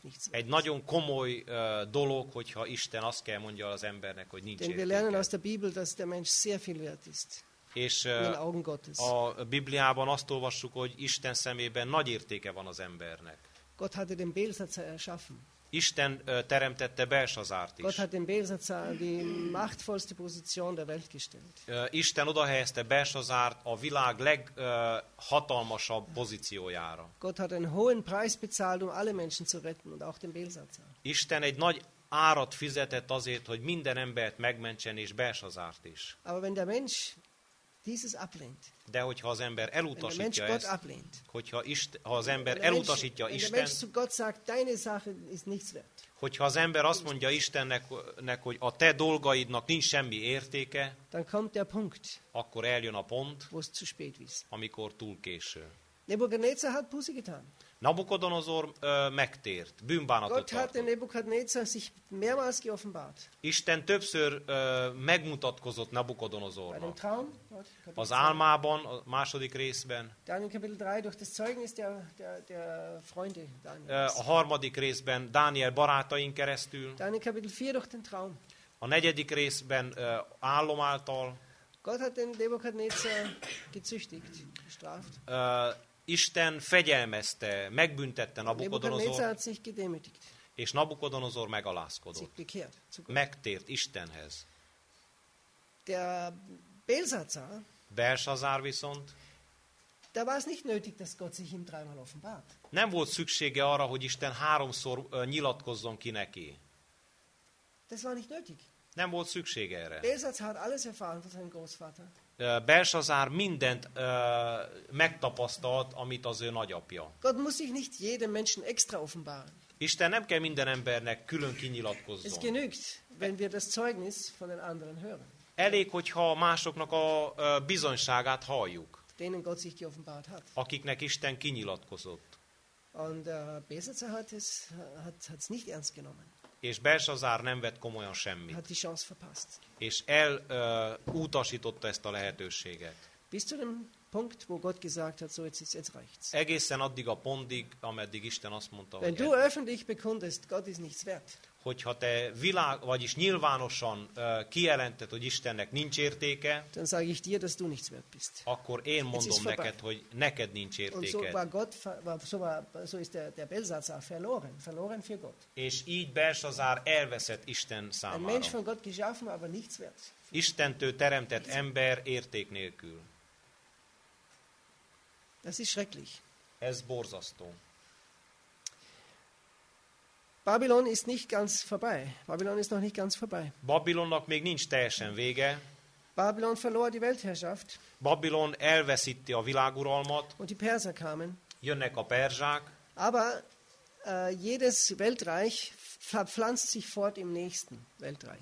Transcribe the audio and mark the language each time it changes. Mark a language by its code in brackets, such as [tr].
[hu] Egy nagyon komoly dolog, hogyha Isten azt kell mondja az embernek, hogy nincs értéked. És a Bibliában azt olvassuk, hogy Isten szemében nagy értéke van az embernek. [de] Gott hatte den Belsazar erschaffen. [hu] Isten teremtette Belsazárt is. [de] Gott hat den Belsazar die machtvollste Position der Welt gestellt. [hu] Isten odahelyezte Belsazárt a világ leghatalmasabb pozíciójára. [de] Gott hat einen hohen Preis bezahlt, um alle Menschen zu retten und auch den Belsazar. [hu] Isten egy nagy árat fizetett azért, hogy minden embert megmentsen és Belsazárt is. [de] Aber wenn der Mensch dieses ablehnt. [hu] De hogyha az ember elutasítja ezt, [de] ablehnt, [hu] hogyha az ember elutasítja Isten, [de] sagt, deine Sache ist nichts wert. [hu] Hogyha az ember azt mondja Istennek, hogy a te dolgaidnak nincs semmi értéke, [de] dann kommt der Punkt, [hu] akkor eljön a pont, [de] wo es zu spät ist. [hu] Amikor túl késő. [de] Nebuchadnezzar hat Buße getan. [hu] Nabukodonozor megtért, bűnbánatot tartott. [de] Nebuchadnezzar sich mehrmals geoffenbart. [hu] Isten többször megmutatkozott Nabukodonozornak. [de] Bei dem Traum, [hu] az álmában, a második részben. [de] Daniel Kapitel 3, durch das Zeugnis der Freunde Daniels. [hu] A harmadik részben Dániel barátain keresztül. [de] Daniel Kapitel 4, durch den Traum. [hu] A negyedik részben álom által. [de] Gott hat den Nebuchadnezzar gezüchtigt, gestraft. [hu] Isten fegyelmezte, megbüntette Nabukodonozort, és Nabukodonozor megalázkodott. Megtért Istenhez. [de] Der Belsazar, [hu] Belsazar viszont, [de] da war es nicht nötig, dass Gott sich ihm dreimal offenbart. [hu] Nem volt szüksége arra, hogy Isten háromszor nyilatkozzon ki neki. [de] Das war nicht nötig. [hu] Nem volt szüksége erre. [de] Belsazar hat alles erfahren von seinem Großvater. [hu] Belsazár mindent megtapasztalt, amit az ő nagyapja. [de] Gott muss sich nicht jedem Menschen extra offenbaren. [hu] Isten nem kell minden embernek külön kinyilatkozzon. [de] Es genügt, wenn wir das Zeugnis von den anderen hören. [hu] Elég, hogyha másoknak a bizonyságát halljuk. [de] Denen Gott sich geoffenbart hat. [hu] Akiknek Isten kinyilatkozott. [de] Und Belsazar hat's nicht ernst genommen. [hu] És Belsazár nem vett komolyan semmit. [de] Hat die Chance verpasst. [hu] És elutasította ezt a lehetőséget. [de] Bis zu dem Punkt, wo Gott gesagt hat, so jetzt reicht's. [hu] Egészen addig a pontig, ameddig Isten azt mondta, [de] wenn du öffentlich bekundest, Gott ist nichts wert. [hu] Hogyha te vagyis nyilvánosan kijelented, hogy Istennek nincs értéke, [de] dann sage ich dir, dass du nichts wert bist. [hu] Akkor én mondom neked, hogy neked nincs értéke. [de] So ist der Belsazar verloren für Gott. [hu] És így Belsazár elveszett Isten számára. [de] Ein Mensch von Gott geschaffen, aber nichts wert. [hu] Istentől teremtett ember érték nélkül. [de] Das ist schrecklich. [hu] Ez borzasztó. [de] Babylon ist nicht ganz vorbei. Babylon ist noch nicht ganz vorbei. [hu] Babylonnak még nincs teljesen vége. [de] Babylon verlor die Weltherrschaft. [hu] Babylon elveszíti a világuralmat. [de] Und die Perser kamen. [hu] Jönnek a perzsák. [de] Aber jedes Weltreich verpflanzt sich fort im nächsten Weltreich.